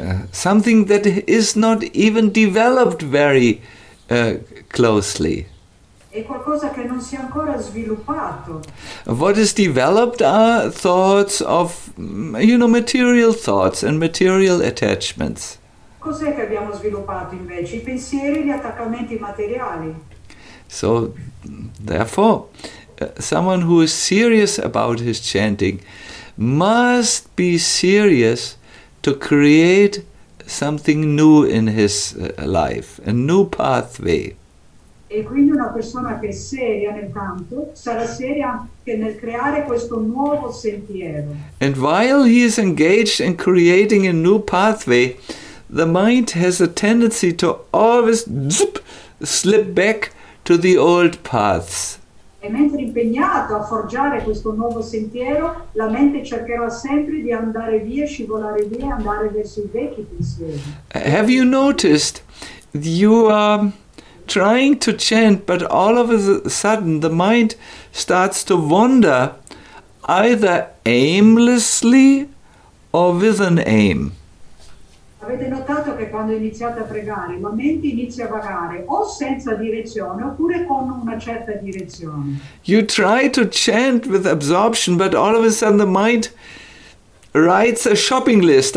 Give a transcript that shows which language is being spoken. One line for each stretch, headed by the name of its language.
English: Something that is not even developed very closely.
Italian: È qualcosa che non si è ancora sviluppato.
English: What is developed are thoughts of, you know, material thoughts and material attachments.
Italian: Cos'è che abbiamo sviluppato invece? I pensieri e gli attaccamenti materiali.
English: So, therefore, someone who is serious about his chanting must be serious to create something new in his life, a new pathway.
Italian: E quindi una persona che è seria nel canto sarà seria anche nel creare questo nuovo sentiero.
English: And while he is engaged in creating a new pathway, the mind has a tendency to always slip back to the old paths.
Italian: E mentre impegnato a forgiare questo nuovo sentiero, la mente cercherà sempre di andare via, scivolare via, andare verso i vecchi pensieri.
English: Have you noticed you are trying to chant, but all of a sudden the mind starts to wander either aimlessly or with an aim?
Italian: Avete notato che quando iniziate a pregare la mente inizia a vagare o senza direzione oppure con una certa direzione.
English: You try to chant with absorption, but all of a sudden the mind writes a shopping list.